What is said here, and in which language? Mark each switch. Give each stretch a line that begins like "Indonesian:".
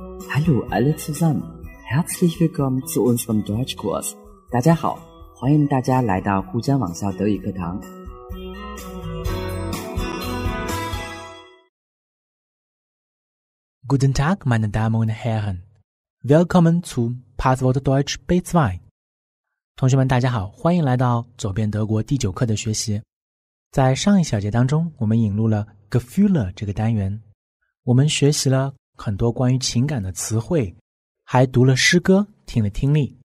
German: Hallo alle zusammen, herzlich willkommen zu unserem Deutschkurs.
Chinese: 大家好，欢迎大家来到沪江网校德语课堂。
German: Guten Tag, meine Damen und Herren. Willkommen zu Passwort Deutsch B2.
Chinese: 同学们大家好，欢迎来到走遍德国第九课的学习。在上一小节当中，我们引入了 Gefühle 这个单元，我们学习了很多关于情感的词汇，还读了诗歌，听了听力。